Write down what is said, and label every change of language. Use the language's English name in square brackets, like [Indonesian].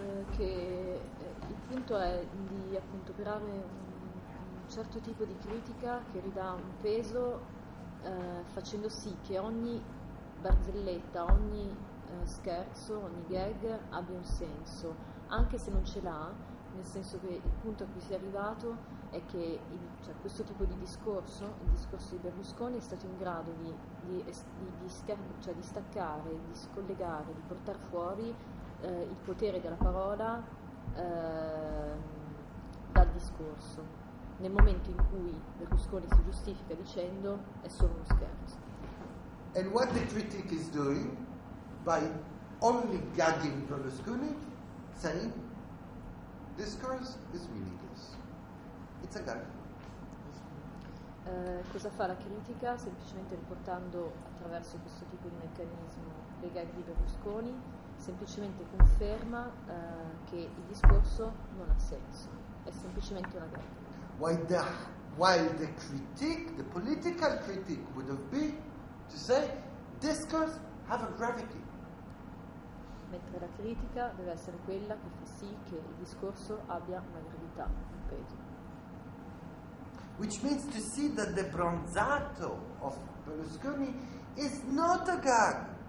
[Italian] Che il punto è di appunto creare un certo tipo di critica che ridà un peso, facendo sì che ogni barzelletta, ogni scherzo, ogni gag abbia un senso, anche se non ce l'ha, nel senso che il punto a cui si è arrivato è che cioè, questo tipo di discorso, il discorso di Berlusconi, è stato in grado di staccare, di scollegare, di portare fuori il potere della parola dal discorso, nel momento in cui Berlusconi si giustifica dicendo è solo uno scherzo. [English] And what the critic is doing by only gagging Berlusconi, saying discourse is meaningless. It's a gag. [Italian] Cosa fa la critica? Semplicemente riportando attraverso questo tipo di meccanismo le gag di Berlusconi, semplicemente conferma che il discorso non ha senso, è semplicemente una gag. [English] While the critic, the political critic, would have been to say discourse have a gravity. [Italian] Mentre la critica deve essere quella che fa sì che il discorso abbia una gravità, un peso. [English] Which means to see that the bronzato of Berlusconi is not a gag.